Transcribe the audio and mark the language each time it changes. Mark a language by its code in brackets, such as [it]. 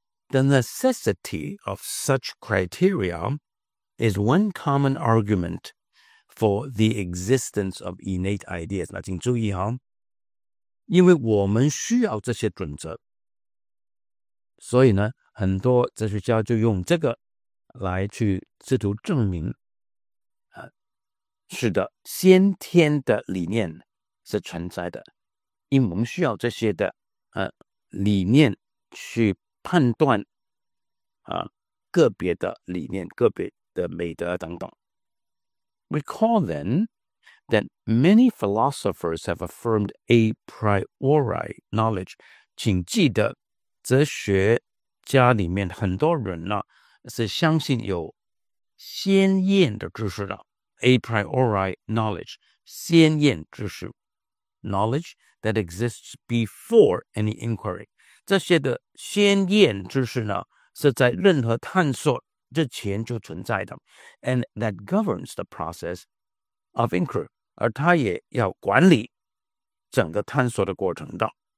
[en] The necessity of such criteria is one common argument for the existence of innate ideas. [zh] 那请注意哈，因为我们需要这些准则，所以呢，很多哲学家就用这个来去试图证明，是的，先天的理念是存在的，因为我们需要这些的理念去判断个别的理念、个别的美德等等。 [en] Recall then that many philosophers have affirmed a priori knowledge. [zh] 请记得，哲学家里面很多人呢是相信有先验的知识的。 [en] A priori knowledge, [zh] 先验知识 [en] knowledge that exists before any inquiry. [zh] 这些的先验知识呢，是在任何探索之前就存在的 ， [en] and that governs the process of inquiry. [zh] 而它也要管理整个探索的过程的。